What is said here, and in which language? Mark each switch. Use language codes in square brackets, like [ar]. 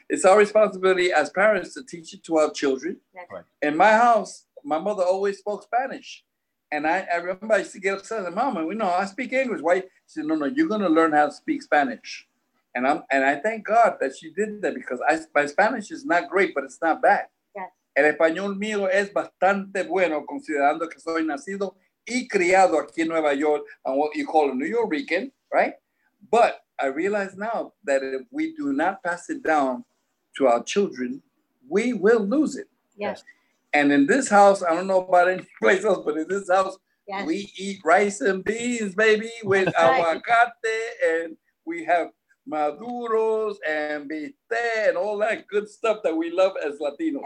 [en] It's our responsibility as parents to teach it to our children. Right. In my house, my mother always spoke Spanish. And I remember I used to get upset at the moment. We know I speak English. Why? She said, no, you're going to learn how to speak Spanish. And I thank God that she did that, because my Spanish is not great, but it's not bad. Yes. [es] El español mío es bastante bueno, considerando que soy nacido y criado aquí en Nueva York, [en] and what you call a New Yorker, right? But I realize now that if we do not pass it down to our children, we will lose it. Yes. And in this house, I don't know about any place else, but in this house, yes, we eat rice and beans, baby, with aguacate, and we have maduros and bistec and all that good stuff that we love as Latinos.